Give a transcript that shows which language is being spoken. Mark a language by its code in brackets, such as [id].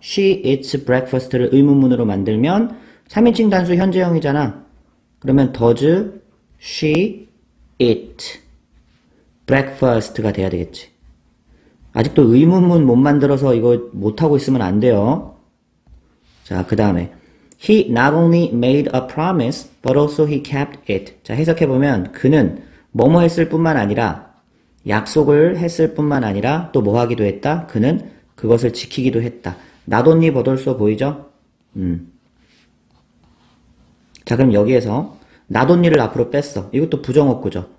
[en] She eats breakfast [ko] 를 의문문으로 만들면 3인칭 단수 현재형이잖아. 그러면 [en] does she eat breakfast [ko] 가 돼야 되겠지. 아직도 의문문 못 만들어서 이거 못하고 있으면 안 돼요. 자, 그 다음에 [en] He not only made a promise, but also he kept it. [ko] 자, 해석해보면 그는 뭐뭐 했을 뿐만 아니라 약속을 했을 뿐만 아니라 또 뭐하기도 했다? 그는 그것을 지키기도 했다. [en] Not only, but also [ko] 보이죠? 자, 그럼 여기에서 not only를 앞으로 뺐어. 이것도 부정어구죠.